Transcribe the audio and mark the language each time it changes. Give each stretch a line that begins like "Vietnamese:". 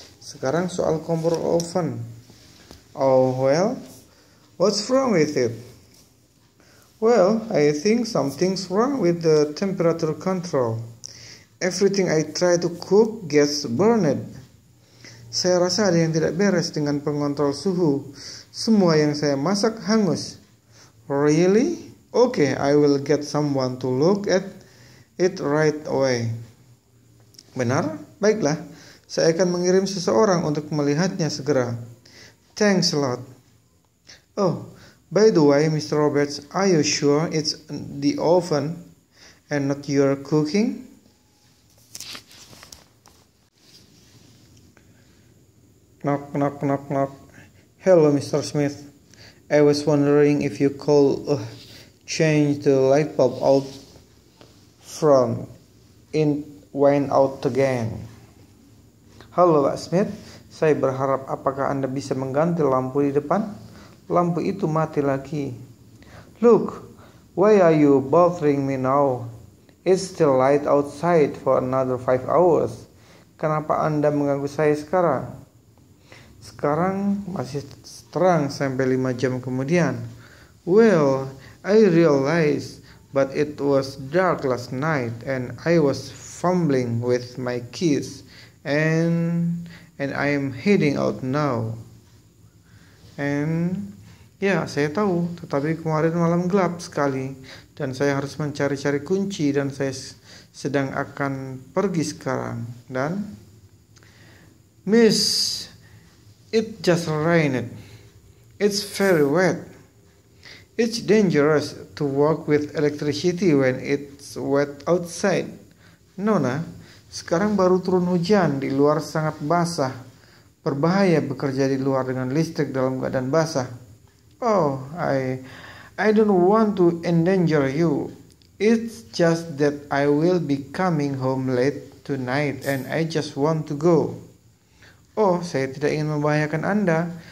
Indonesian: Sekarang soal kompor oven.
English: Oh, well, what's wrong with it? Well, I think something's wrong with the temperature control. Everything I try to cook gets burned.
Indonesian: Saya rasa ada yang tidak beres dengan pengontrol suhu. Semua yang saya masak hangus. Really?
English: Okay, I will get someone to look at it right away.
Indonesian: Benar? Baiklah. Saya akan mengirim seseorang untuk melihatnya segera.
English: Thanks a lot. Oh, by the way, Mr. Roberts, are you sure it's the oven and not your cooking? Knock, knock, knock, knock. Hello, Mr. Smith. I was wondering if you could change the light bulb out from in went out again.
Indonesian: Halo, Pak Smith. Saya berharap apakah Anda bisa mengganti lampu di depan? Lampu itu mati lagi.
English: Look, why are you bothering me now? It's still light outside for another 5 hours.
Indonesian: Kenapa Anda mengganggu saya sekarang? Sekarang masih terang sampai 5 jam kemudian.
English: Well, I realize, but it was dark last night and I was fumbling with my keys and I am heading out now.
Indonesian: And ya, saya tahu, tetapi kemarin malam gelap sekali dan saya harus mencari-cari kunci dan saya sedang akan pergi sekarang dan
English: Miss, it just rained. It's very wet. It's dangerous to walk with electricity when it's wet outside.
Indonesian: Nona, sekarang baru turun hujan, di luar sangat basah. Berbahaya bekerja di luar dengan listrik dalam keadaan basah.
English: Oh, I don't want to endanger you. It's just that I will be coming home late tonight and I just want to go.
Indonesian: Oh, saya tidak ingin membahayakan Anda.